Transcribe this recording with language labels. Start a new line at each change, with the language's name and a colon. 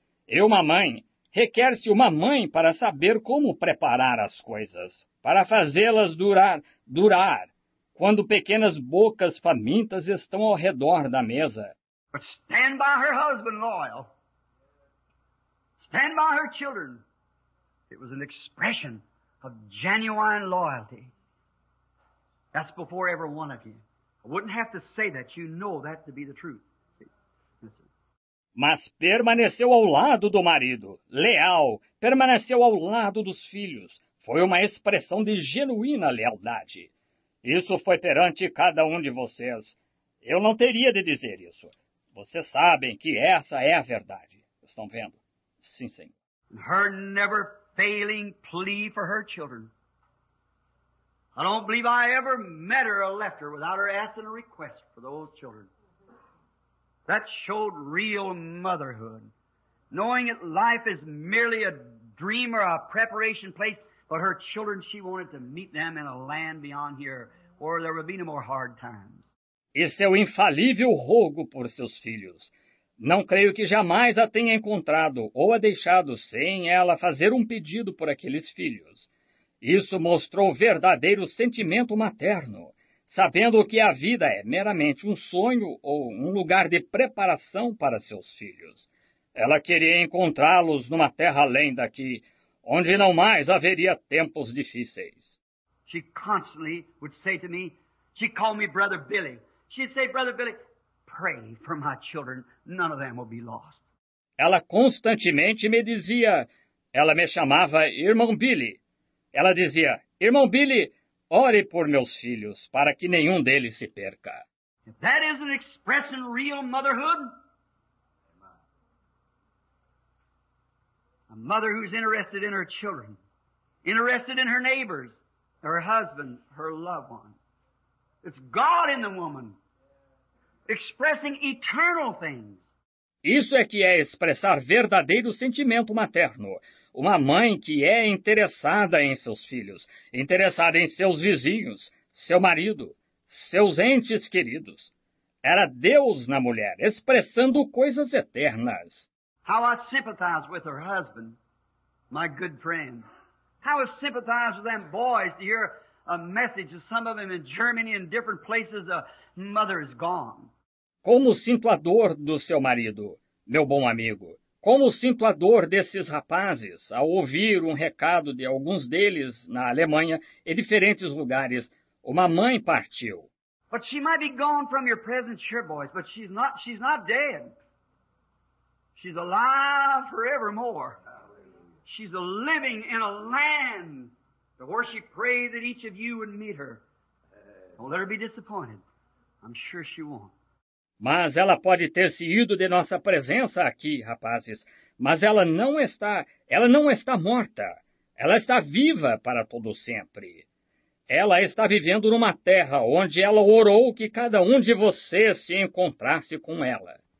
Portuguese: E uma mãe, requer-se uma mãe para saber como preparar as coisas, para fazê-las durar, quando pequenas bocas famintas estão ao redor da mesa.
English: But stand by her husband loyal. Stand by her children. It was an expression of genuine loyalty. That's before every one of you. I wouldn't have to say that. You know that to be the truth.
Portuguese: Mas permaneceu ao lado do marido, leal, permaneceu ao lado dos filhos. Foi uma expressão de genuína lealdade. Isso foi perante cada um de vocês. Eu não teria de dizer isso. Vocês sabem que essa é a verdade. Estão vendo? Sim, Senhor.
English: Her never failing plea for her children. I don't believe I ever met her or left her without her asking a request for those children. That showed real motherhood. Knowing that life is merely a dream or a preparation place, but her children, she wanted to meet them in a land beyond here where there would be no more hard times.
Portuguese: Este é o infalível rogo por seus filhos. Não creio que jamais a tenha encontrado ou a deixado sem ela fazer um pedido por aqueles filhos. Isso mostrou verdadeiro sentimento materno, sabendo que a vida é meramente um sonho ou um lugar de preparação para seus filhos. Ela queria encontrá-los numa terra além daqui, onde não mais haveria tempos difíceis.
English: She constantly would say to me, she called me Brother Billy. She'd say, Brother Billy, pray for my children. None of them will be lost.
Portuguese: Ela constantemente me dizia, ela me chamava Irmão Billy. Ela dizia, Irmão Billy, ore por meus filhos, para que nenhum deles se perca.
English: If that isn't expressing real motherhood, a mother who's interested in her children, interested in her neighbors, her husband, her loved one. It's God in the woman, expressing eternal things.
Portuguese: Isso é que é expressar verdadeiro sentimento materno. Uma mãe que é interessada em seus filhos, interessada em seus vizinhos, seu marido, seus entes queridos. Era Deus na mulher, expressando coisas eternas.
English: How I sympathize with her husband, my good friend. How I sympathize with them boys to hear a message of some of them in Germany and different places, a mother is gone.
Portuguese: Como sinto a dor do seu marido, meu bom amigo. Como sinto a dor desses rapazes ao ouvir um recado de alguns deles na Alemanha e diferentes lugares. Uma mãe partiu.
English: But she might be gone from your presence here, boys, but she's not dead. She's alive forevermore. She's a living in a land to where she prayed that each of you would meet her. Don't let her be disappointed. I'm sure she won't.
Portuguese: Mas ela pode ter se ido de nossa presença aqui, rapazes. Mas ela não está morta. Ela está viva para todo sempre. Ela está vivendo numa terra onde ela orou que cada um de vocês se encontrasse com ela.